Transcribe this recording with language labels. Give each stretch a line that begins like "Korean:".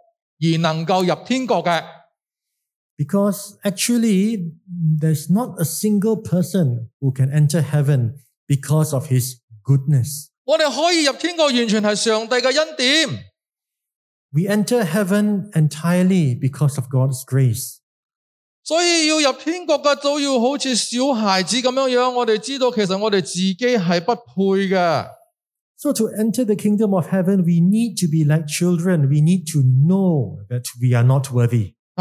Chinese: 基本上没有一个人是因为好而能够入天国的。
English: Because actually, there's not a single person who can enter heaven because of his goodness.
Chinese: 我们可以入天国完全是上帝的恩典。
English: We enter heaven entirely because of God's grace.
Chinese: 所以要入天国的,就要好像小孩子那样,我们知道其实我们自己是不配的。
English: So to enter the kingdom of heaven, we need to be like children. We need to know that we are not worthy.